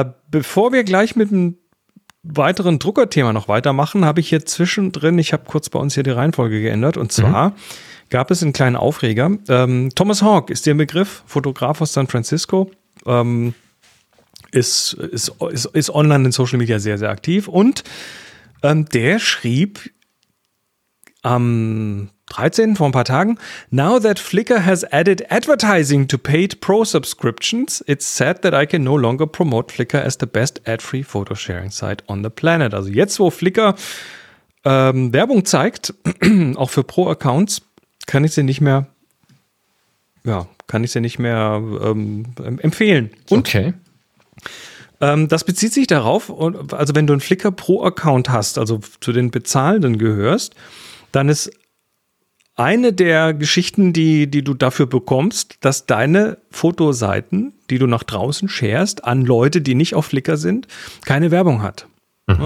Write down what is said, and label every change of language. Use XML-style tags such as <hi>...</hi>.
<de>Bevor wir gleich mit einem weiteren Druckerthema noch weitermachen, habe ich hier zwischendrin, ich habe kurz bei uns hier die Reihenfolge geändert, und zwar gab es einen kleinen Aufreger. Thomas Hawk ist der Begriff, Fotograf aus San Francisco, ist online in Social Media sehr, sehr aktiv, und der schrieb am 13.</de> <en>vor ein paar Tagen: Now that Flickr has added advertising to paid pro subscriptions, it's sad that I can no longer promote Flickr as the best ad-free photo sharing site on the planet.</en> <de>Also jetzt, wo Flickr Werbung zeigt, auch für Pro-Accounts, kann ich sie nicht mehr empfehlen. Und, okay. Das bezieht sich darauf, also wenn du einen Flickr Pro-Account hast, also zu den Bezahlenden gehörst, dann ist eine der Geschichten, die du dafür bekommst, dass deine Fotoseiten, die du nach draußen sharest, an Leute, die nicht auf Flickr sind, keine Werbung hat. Mhm.</de>